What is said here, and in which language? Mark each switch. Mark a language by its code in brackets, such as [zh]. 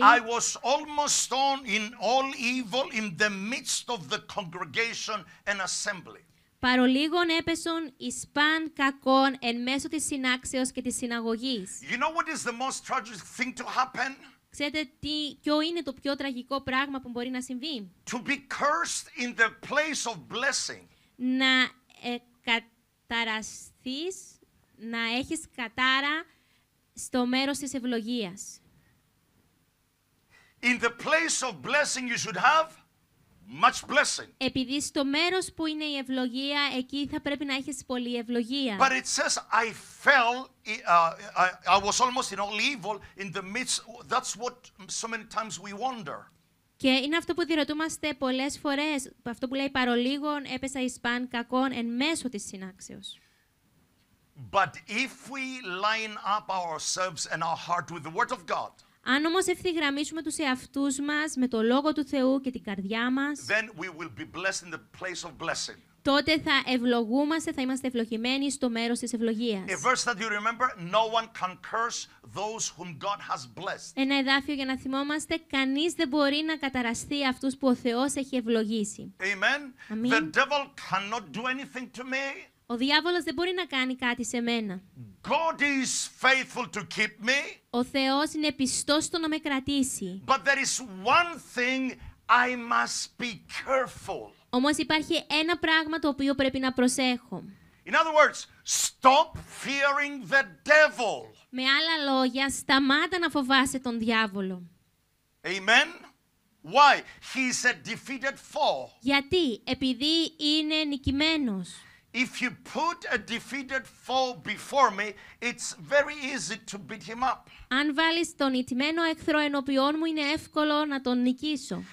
[en] I was almost stoned in all evil in the midst of the congregation and assembly. [el] Παρολίγον έπεσον εις παν κακόν εν μέσω της συνάξεως και της συναγωγής. [en] You know what is the most tragic thing to happen? [el] Ξέρετε τι, ποιο είναι το πιο τραγικό πράγμα που μπορεί να συμβεί? [en] To be cursed in the place of blessing. [el] Να καταραστείς, να έχεις κατάρα στο μέρος της ευλογίας. [en] In the place of blessing you should have much blessing. [el] Επειδή στο μέρος που είναι η ευλογία, εκεί θα πρέπει να έχεις πολλή ευλογία. [en] But it says I fell, I was almost in all evil in the midst. That's what so many times we wonder. [el] Και είναι αυτό που διερωτούμαστε πολλές φορές, αυτό που λέει παρολίγον έπεσα εις παν κακόν εν μέσω της συνάξεως. [en] But if we line up ourselves and our heart with the Word of God, [el] αν όμως ευθυγραμμίσουμε τους εαυτούς μας με το Λόγο του Θεού και την καρδιά μας, [en] then we will be blessed in the place of blessing. [el] Τότε θα ευλογούμαστε, θα είμαστε ευλογημένοι στο μέρος της ευλογίας. [en] A verse that you remember, no one can curse those whom God has blessed. [el] Ένα εδάφιο για να θυμόμαστε, κανείς δεν μπορεί να καταραστεί αυτούς που ο Θεός έχει ευλογήσει. [en] Amen. [el] Αμήν. [en] The devil cannot do anything to me. [el] Ο διάβολος δεν μπορεί να κάνει κάτι σε μένα. [en] God is faithful to keep me. [el] Ο Θεός είναι πιστός στο να με κρατήσει. [en] But there is one thing I must be careful. [el] Όμως υπάρχει ένα πράγμα το οποίο πρέπει να προσέχω. [en] In other words, stop fearing the devil. [el] Με άλλα λόγια, σταμάτα να φοβάσαι τον διάβολο. [en] Amen. Why? He is a defeated foe. [el] Γιατί; Επειδή είναι νικημένος. [en] If you put a defeated foe before me, it's very easy to beat him up. [el] Αν βάλεις τον ιτημένο εχθρό ενώπιον μου, είναι εύκολο να τον νικήσω.